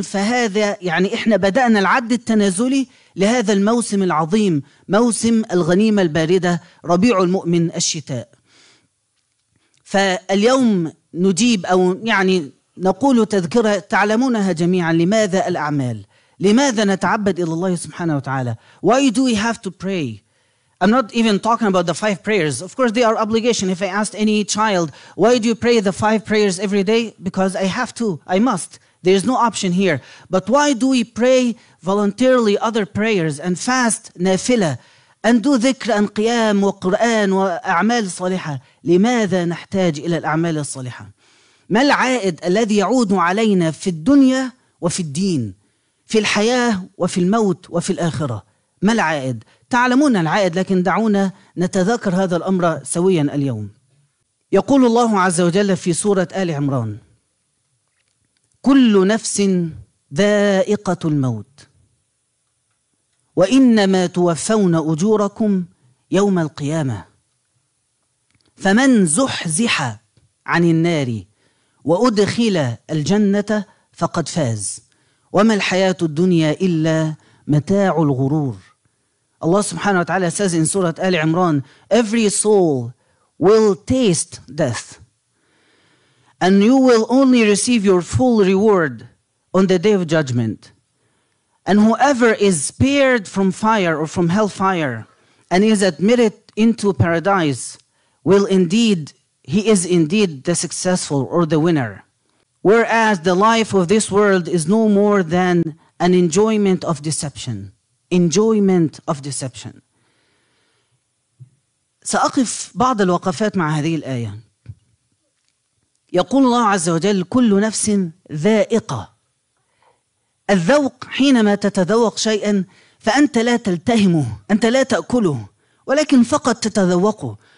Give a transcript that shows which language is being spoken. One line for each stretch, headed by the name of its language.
Arabic: فهذا يعني إحنا بدأنا العد التنازلي لهذا الموسم العظيم، موسم الغنيمة الباردة، ربيع المؤمن، الشتاء. فاليوم نجيب أو يعني نقول تذكرة تعلمونها جميعا، لماذا الأعمال؟ لماذا نتعبد إلى الله سبحانه وتعالى؟
English: Why do we have to pray? I'm not even talking about the five prayers. Of course, they are obligation. If I asked any child, why do you pray the five prayers every day? Because I have to, I must. There is no option here. But why do we pray voluntarily other prayers and fast nafila and do dhikr and
Arabic: qiyam wa qur'an wa a'mal saliha? لماذا نحتاج إلى الأعمال الصالحة؟ ما العائد الذي يعود علينا في الدنيا وفي الدين؟ في الحياة وفي الموت وفي الآخرة؟ ما العائد؟ تعلمون العائد، لكن دعونا نتذكر هذا الأمر سويا اليوم. يقول الله عز وجل في سورة آل عمران كل نفس ذائقة الموت وإنما توفون أجوركم يوم القيامة فمن زحزح عن النار وأدخل الجنة فقد فاز وما الحياة الدنيا إلا متاع الغرور.
English: Allah subhanahu wa ta'ala says in Surah Ali Imran, every soul will taste death and you will only receive your full reward on the day of judgment. And whoever is spared from fire or from hellfire and is admitted into paradise, he is indeed the successful or the winner. Whereas the life of this world is no more than an enjoyment of deception. Enjoyment of deception.
Arabic: سأقف بعض الوقفات مع هذه الآية. يقول الله عز وجل كل نفس ذائقة. الذوق حينما تتذوق شيئا فأنت لا تلتهمه، أنت لا تأكله، ولكن فقط تتذوقه.